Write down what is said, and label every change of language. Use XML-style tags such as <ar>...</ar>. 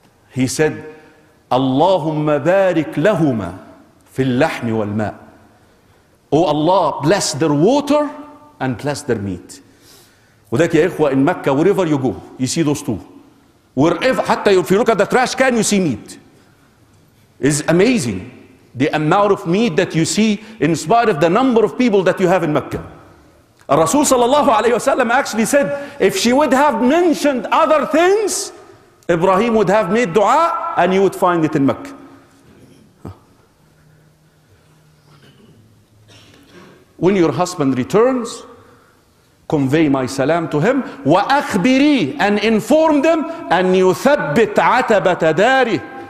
<en>He said,</en> <ar>اللهم بارك لهما في اللحم والماء.</ar> <en>Oh Allah, bless their water and bless their meat.</en> <ar>وذلك يا إخوة,</ar> <en>in Mecca, wherever you go, you see those two. Wherever, حتى if you look at the trash can, you see meat. It's amazing the amount of meat that you see in spite of the number of people that you have in Mecca. Rasul sallallahu alayhi wasallam actually said, if she would have mentioned other things, Ibrahim would have made dua and you would find it in Mecca. When your husband returns, convey my salam to him.</en> <ar>وأخبري,</ar> <en>and inform them,</en> <ar>أن يثبت عتبة داره.</ar>